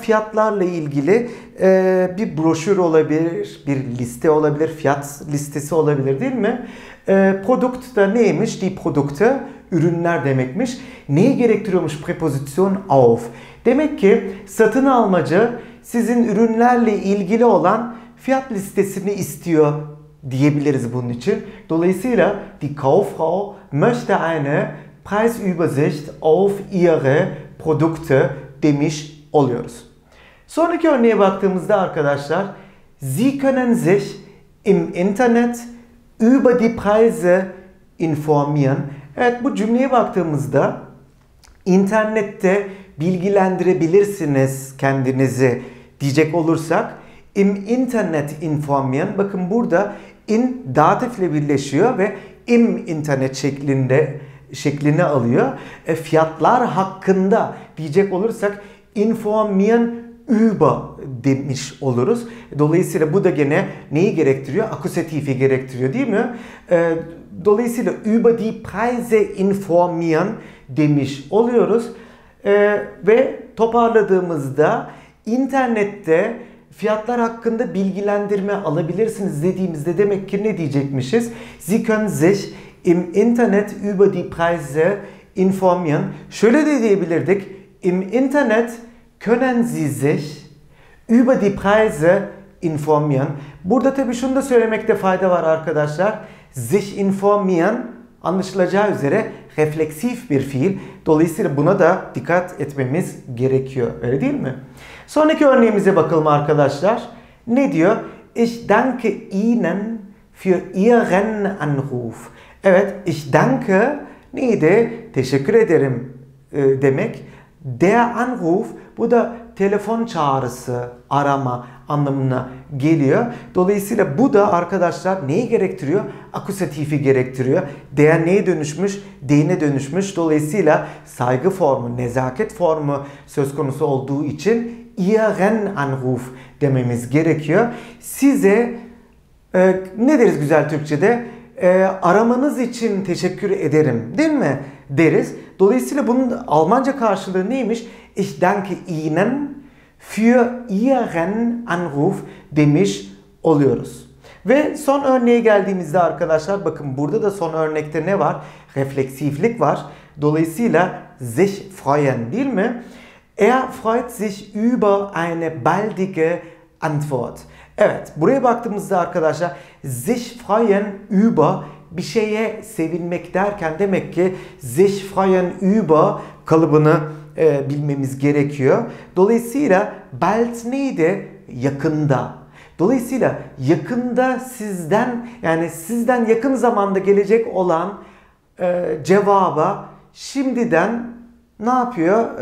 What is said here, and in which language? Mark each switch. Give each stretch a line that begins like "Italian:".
Turkish: Fiyatlarla ilgili bir broşür olabilir, bir liste olabilir, fiyat listesi olabilir değil mi? Produkt da neymiş? Die Produkte, ürünler demekmiş. Neyi gerektiriyormuş preposition auf? Demek ki satın almacı sizin ürünlerle ilgili olan fiyat listesini istiyor diyebiliriz bunun için. Dolayısıyla
German: die Kauffrau möchte eine Preisübersicht auf ihre Produkte
Turkish: demiş oluyoruz. Sonraki örneğe baktığımızda arkadaşlar
German: Sie können sich im Internet über die Preise informieren.
Turkish: Evet bu cümleye baktığımızda internette bilgilendirebilirsiniz kendinizi diyecek olursak
German: im Internet informieren.
Turkish: Bakın burada in datif ile birleşiyor ve im internet şeklini alıyor. Fiyatlar hakkında diyecek olursak informieren über demiş oluruz. Dolayısıyla bu da gene neyi gerektiriyor? Akusatifi gerektiriyor değil mi? Dolayısıyla
German: über die Preise informieren
Turkish: demiş oluyoruz. Ve toparladığımızda internette fiyatlar hakkında bilgilendirme alabilirsiniz dediğimizde demek ki ne diyecekmişiz?
German: Sie können sich im Internet über die Preise informieren.
Turkish: Şöyle de diyebilirdik.
German: Im Internet können Sie sich über die Preise informieren.
Turkish: Burada tabii şunu da söylemekte fayda var arkadaşlar. Sich informieren anlaşılacağı üzere refleksif bir fiil. Dolayısıyla buna da dikkat etmemiz gerekiyor. Öyle değil mi? Sonraki örneğimize bakalım arkadaşlar. Ne diyor?
German: Ich danke Ihnen für Ihren Anruf.
Turkish: Evet, ich danke neydi? Teşekkür ederim demek. Der Anruf, bu da telefon çağrısı, arama anlamına geliyor. Dolayısıyla bu da arkadaşlar neyi gerektiriyor? Akusatifi gerektiriyor. Der neye dönüşmüş? Dine dönüşmüş. Dolayısıyla saygı formu, nezaket formu söz konusu olduğu için Ihren Anruf dememiz gerekiyor. Size ne deriz güzel Türkçe'de? Aramanız için teşekkür ederim değil mi deriz. Dolayısıyla bunun Almanca karşılığı neymiş?
German: Ich danke Ihnen für Ihren Anruf
Turkish: demiş oluyoruz. Ve son örneğe geldiğimizde arkadaşlar bakın burada da son örnekte ne var? Refleksiflik var. Dolayısıyla sich freuen değil mi?
German: Er freut sich über eine baldige Antwort.
Turkish: Evet, buraya baktığımızda arkadaşlar
German: sich freuen über
Turkish: bir şeye sevinmek derken demek ki sich freuen über kalıbını bilmemiz gerekiyor. Dolayısıyla bald neydi? Yakında. Dolayısıyla yakında sizden yani sizden yakın zamanda gelecek olan cevaba şimdiden ne yapıyor?